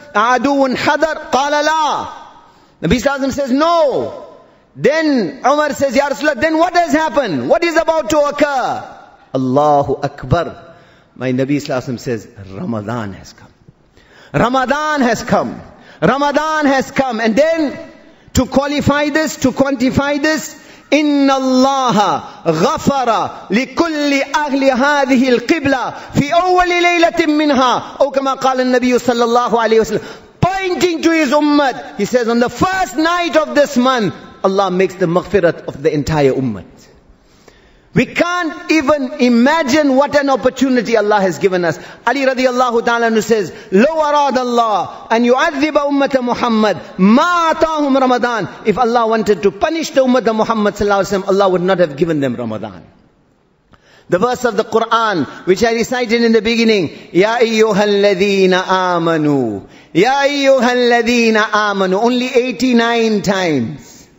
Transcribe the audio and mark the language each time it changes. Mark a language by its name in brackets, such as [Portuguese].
[English] Aduun hadar? Qala la. Nabi Sallallahu Alaihi Wasallam says, no. Then Umar says, Ya Rasulullah, then what has happened? What is about to occur? Allahu Akbar. My Nabi Sallallahu Alaihi Wasallam says, Ramadan has come. Ramadan has come. Ramadan has come. And then, to qualify this, to quantify this, [Arabic] إِنَّ اللَّهَ غَفَرَ لِكُلِّ أَهْلِ هَذِهِ الْقِبْلَةِ فِي أَوَّلِ لَيْلَةٍ مِّنْهَا. أو كما قال النبي صلى الله عليه وسلم, [English] pointing to his ummah, he says, on the first night of this month, Allah makes the maghfirat of the entire ummah. We can't even imagine what an opportunity Allah has given us. Ali radiallahu ta'ala says, [Arabic] لو أراد الله أن يعذب أمة محمد ما أعطاهم رمضان. [English] If Allah wanted to punish the Ummah of Muhammad sallallahu alayhi wa sallam, Allah would not have given them Ramadan. The verse of the Quran, which I recited in the beginning, Ya [Arabic] أَيُّهَا الَّذِينَ آمَنُوا [English] Ya أَيُّهَا الَّذِينَ آمَنُوا Only 89 times.